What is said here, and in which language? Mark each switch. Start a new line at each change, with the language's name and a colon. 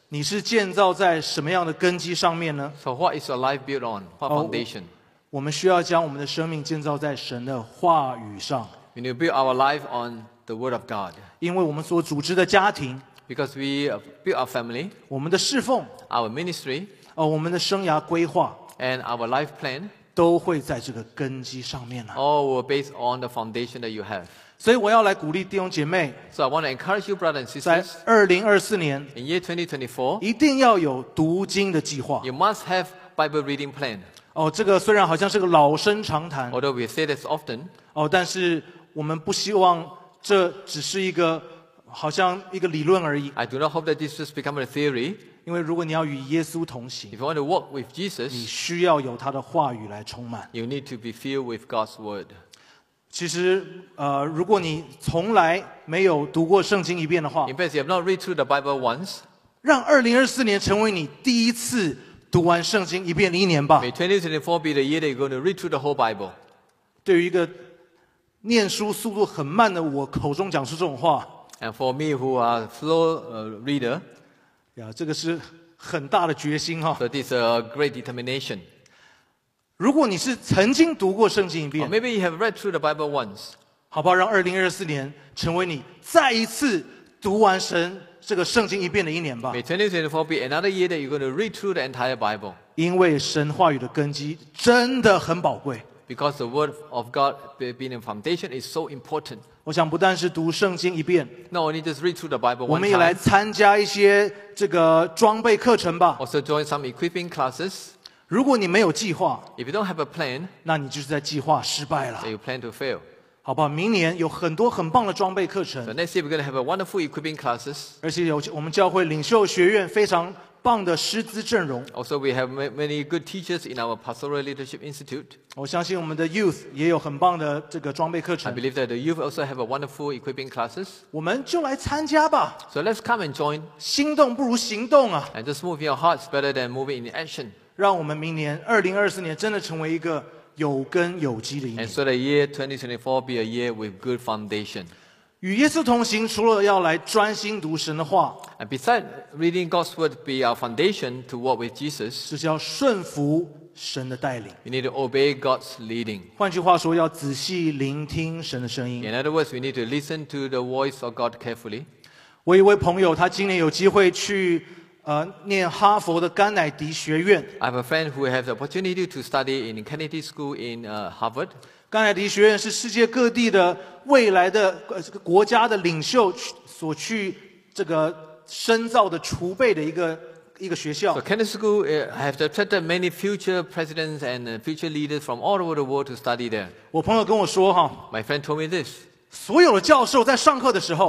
Chinese: 你是建造在什么样的根基上面呢
English: ？So what is your life built on? What foundation?、
Chinese: 我们需要将我们的生命建造在神的话语上。
English: We need to build our life on the word of God.
Chinese: 因为我们所组织的家庭
English: ，because we build our family，
Chinese: 我们的侍奉
English: ，our ministry，
Chinese: 我们的生涯规划
English: ，and our life plan，
Chinese: 都会在这个根基上面呢。
English: All were based on the foundation that you have.
Chinese: 所以我要来鼓励弟兄姐妹。
English: So I want to encourage you, brothers and sisters.
Chinese: 在2024年
English: ，in year 2024,
Chinese: 一定要有读经的计划。
English: You must have Bible reading plan.
Chinese: 哦，这个虽然好像是个老生常谈
English: ，although we say this often.
Chinese: 哦，但是我们不希望这只是一个好像一个理论而已。
English: I do not hope that this just become a theory.
Chinese: 因为如果你要与耶稣同行
English: ，if you want to walk with Jesus,
Chinese: 你需要有他的话语来充满。
English: You need to be filled with God's word.
Chinese: 其实如果你从来没有读过圣经一遍的话
English: In fact, you have not read through the Bible once.
Chinese: 让2024年成为你第一次读完圣经一遍的一年吧。
English: May 2024 be the year that you're going to read through the whole Bible.
Chinese: 对于一个念书速度很慢的我口中讲出这种话。
English: And for me who are slow reader.
Chinese: 这个是很大的决心。
English: So this is a great determination.
Chinese: 如果你是曾经读过圣经一遍
English: maybe you have read through the Bible once
Chinese: 好不好让2024年成为你再一次读完神这个圣经一遍的一年吧
English: May 2024 be another year that you're going to read through the entire Bible
Chinese: 因为神话语的根基真的很宝贵
English: Because the word of God being a foundation is so important
Chinese: 我想不但是读圣经一遍
English: Not only just read through the Bible one time
Chinese: 我们也来参加一些这个装备课程吧
English: Also join some equipping classes
Chinese: 如果你没有计划
English: If you don't have a plan,
Chinese: 那你就是在计划失败了
English: so you plan to fail.
Chinese: 好吧明年有很多很棒的装备课程
English: so next year we're going to have a wonderful equipping classes.
Chinese: 而且有我们教会领袖学院非常棒的师资阵容
English: also we have many good teachers in our pastoral leadership institute.
Chinese: 我相信我们的 youth 也有很棒的这个装备课程
English: I believe that the youth also have a wonderful equipping classes.
Chinese: 我们就来参加吧
English: so let's come and join.
Chinese: 心动不如行动啊
English: and just move in your hearts better than moving in action.
Chinese: 让我们明年2024年真的成为一个有根有基的一年。
English: And so the year 2024 be a year with good foundation.
Chinese: 与耶稣同行，除了要来专心读神的话
English: ，And besides reading God's word be our foundation to walk with Jesus，
Chinese: 就是要顺服神的带领。
English: You need to obey God's leading.
Chinese: 换句话说，要仔细聆听神的声音。
English: In other words, we need to listen to the voice of God carefully.
Chinese: 我一位朋友，他今年有机会去。念哈佛的甘乃迪学院。
English: I have a friend who has the opportunity to study in Kennedy School in Harvard.
Chinese: 甘乃迪学院是世界各地的未来的国家的领袖所去这个深造的储备的一个学校。
English: So Kennedy School has attracted many future presidents and future leaders from all over the world to study there.
Chinese: 我朋友跟我说哈。
English: My friend told me this.
Chinese: 所有的教授在上课的时候。